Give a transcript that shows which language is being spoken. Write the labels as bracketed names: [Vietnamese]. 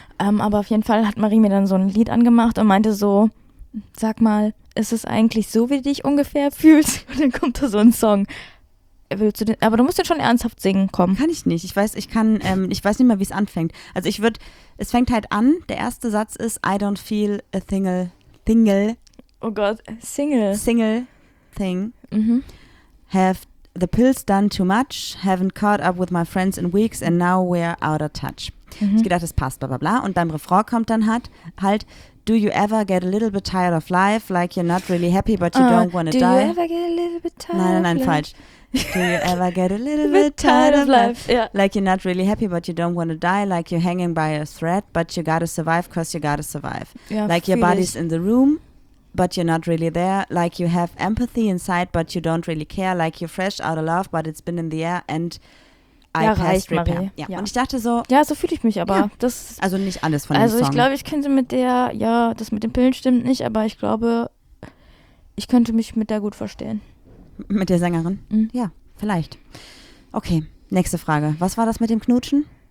[German] Aber auf jeden Fall hat Marie mir dann so ein Lied angemacht und meinte so, sag mal, ist es eigentlich so, wie du dich ungefähr fühlst? Und dann kommt da so ein Song, willst du den, aber du musst den schon ernsthaft singen, komm. Kann ich nicht. Ich weiß nicht mal, wie es anfängt. Also ich würde, es fängt halt an, der erste Satz ist, [English] I don't feel a thingle, thingle. [German] Oh Gott, single. [English] Single thing. Mhm. Have the pills done too much, haven't caught up with my friends in weeks and now we're out of touch. Mhm. [German] Ich gedacht, das passt, bla bla bla. Und beim Refrain kommt dann halt, [English] do you ever get a little bit tired of life, like you're not really happy, but you don't want to die? Do you ever get a little bit tired of life? [German] Nein, falsch. [English] Do you ever get a little bit tired of life? Yeah. Like you're not really happy, but you don't want to die, like you're hanging by a thread, but you gotta survive, cause you gotta survive. [German] Ja, [English] like your body's in the room, but you're not really there, like you have empathy inside, but you don't really care, like you're fresh out of love, but it's been in the air, and I [German] ja, [English] passed repair. [German] Marie. Ja. Ja. Und ich dachte so... Ja, so fühle ich mich aber. Ja. Das, also nicht alles von also dem Song. Also ich glaube, ich könnte mit der... Ja, das mit den Pillen stimmt nicht, aber ich glaube, ich könnte mich mit der gut verstehen. Mit der Sängerin? Mhm. Ja, vielleicht. Okay, nächste Frage. Was war das mit dem Knutschen?